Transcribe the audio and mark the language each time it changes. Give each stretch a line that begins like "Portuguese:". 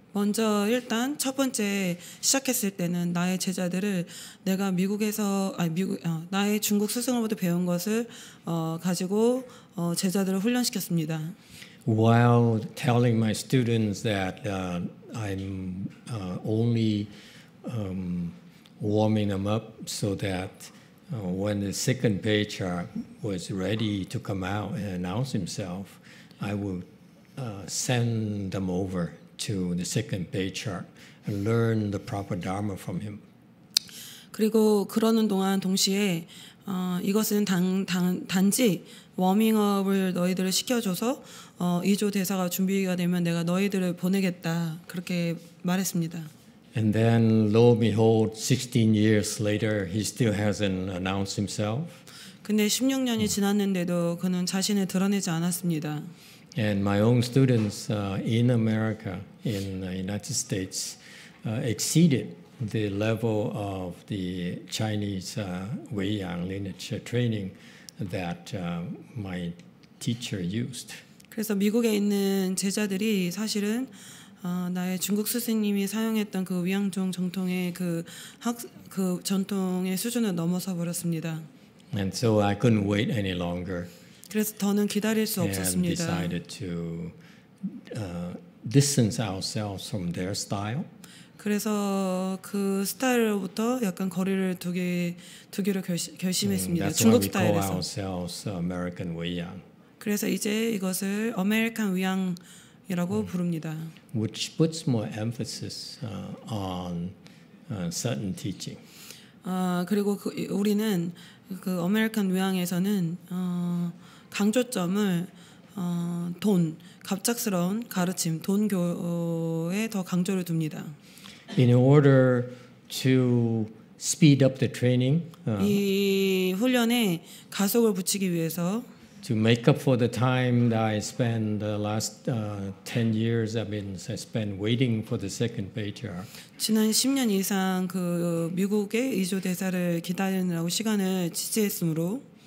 Korean: 먼저 일단 첫 번째 시작했을 때는 나의 제자들을 내가 미국에서 나의 중국 스승으로부터 배운 것을 가지고 제자들을 훈련시켰습니다.
English: While telling my students that I'm only warming them up so that when the second patriarch was ready to come out and announce himself, I would send them over to the second patriarch and learn the proper dharma from him.
Korean: 그리고 그러는 동안 동시에 이것은 단지 워밍업을 너희들을 시켜줘서 이조 대사가 준비가 되면 내가 너희들을 보내겠다 그렇게 말했습니다.
English: And then, lo and behold, 16 years later, he still hasn't announced himself.
Korean: 근데 16년이 지났는데도 그는 자신을 드러내지 않았습니다.
English: And my own students in America, in the United States, exceeded the level of the Chinese Wei Yang lineage training that my teacher used.
Korean: 그래서 미국에 있는 제자들이 사실은 나의 중국 스승님이 사용했던 그 위양종 정통의 그 전통의 수준을 넘어서 버렸습니다.
English: And so I couldn't wait any longer.
Korean: 그래서 더는 기다릴 수 없었습니다.
English: And decided to distance ourselves from their style.
Korean: 그래서 그 스타일로부터 약간 거리를 두기로 결심했습니다. 중국 스타일에서.
English: That's why we call ourselves American Weiyang.
Korean: 그래서 이제 이것을 American Weiyang 이라고 부릅니다.
English: Which puts more emphasis on certain teaching.
Korean: 그리고 그 우리는 그 아메리칸 위앙에서는 강조점을 돈, 갑작스러운 가르침, 돈교에 더 강조를 둡니다.
English: In order to speed up the training.
Korean: 이 훈련에 가속을 붙이기 위해서
English: To make up for the time that I spent the last 10 years, I mean, I spent waiting for the second patriarch.
Korean: 지난 10년 이상 그 미국의 이조 대사를 기다리느라고 시간을 지체했으므로,